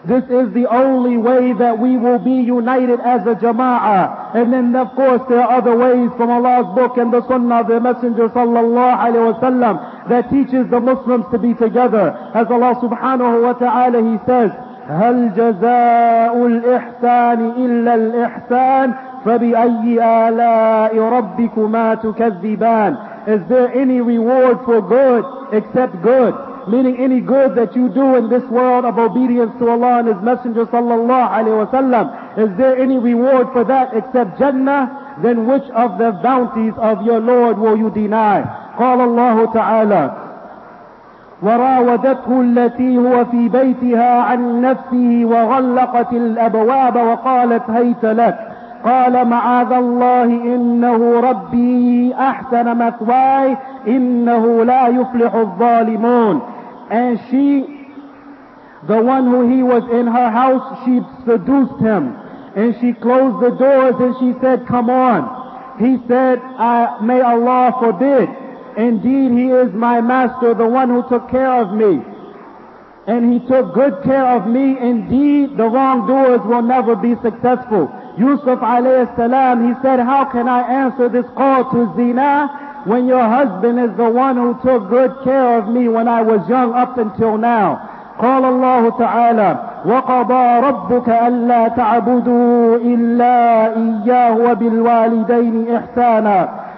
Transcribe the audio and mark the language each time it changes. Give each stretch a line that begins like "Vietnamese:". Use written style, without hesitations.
English: This is the only way that we will be united as a jama'ah. And then of course there are other ways from Allah's book and the sunnah of the messenger sallallahu alayhi wa sallam that teaches the Muslims to be together. As Allah subhanahu wa ta'ala, He says,
Arabic: هَلْ جَزَاءُ الْإِحْسَانِ إِلَّا الْإِحْسَانِ فَبِأَيِّ آلَاءِ رَبِّكُمَا تُكَذِّبَانِ.
English: Is there any reward for good except good? Meaning any good that you do in this world of obedience to Allah and His Messenger sallallahu alayhi wa sallam, is there any reward for that except Jannah? Then which of the bounties of your Lord will you deny?
Arabic: قال الله تعالى وراودته التي هو في بيتها عن نفسه وغلقت الأبواب وقالت هيت لك قال معاذ الله إنه ربي أحسن مثواي إنه لا يفلح الظالمون.
English: And she, the one who he was in her house, she seduced him. And she closed the doors and she said, come on. He said, may Allah forbid. Indeed, he is my master, the one who took care of me. And he took good care of me. Indeed, the wrongdoers will never be successful. Yusuf alayhi salam, he said, how can I answer this call to zina when your husband is the one who took good care of me when I was young up until now?
Arabic: قال الله تعالى وقضى ربك ألا تعبدوا إلا إياه وبالوالدين إحسانا